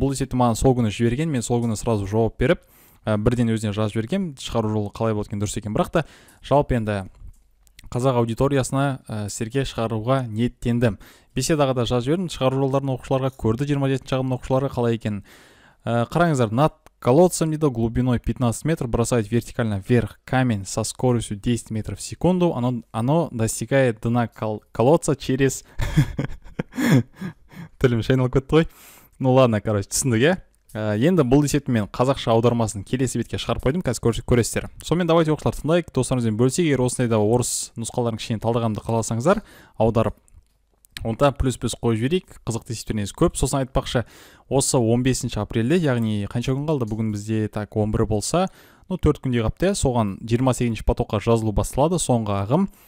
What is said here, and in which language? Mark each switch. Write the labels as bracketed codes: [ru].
[kk] Бұл есепті маған сол күні жіберген, мен сол күні сразу жауап беріп, бірден өзіне жазып жіберген, шығару жолы қалай болды екен, дұрыс екен. Бірақ та жалпы енді қазақ аудиториясына сізге шығаруға ниеттендім. Беседаға да жазып жібердім, шығару жолдарын оқушыларға көрді, 27-ші ағымның оқушылары қалай екен. [ru] Қараңыздар, над колодцем дейді, глубиной 15 метр, бросает вертикально вверх камень со скоростью 10 метров в секунду, оно достигает дна колодца через... [kk] Тілім шайналып кетті ғой. [ru] Ну ладно, [kk] короче, түсіндік, е? Енді бұл есепті мен қазақша аудармасын келесі бетке шығарып қойдым, қазір көресіздер. Сонымен давайте оқушылар тыңдайық, достарымызбен бөлісейік, егер осындай да орыс нұсқаларын кішкене талдағанымды қаласаңыздар, аударып. Онда плюс-плюс қой жіберейік, қызықты есептеріңіз көп. Сосын айтпақшы, осы 15 апрельде, яғни қанша күн қалды, бүгін бізде так 11 болса, ну 4 күнде қапты, соған 28 потоққа жазылу басталады, соңғы ағым.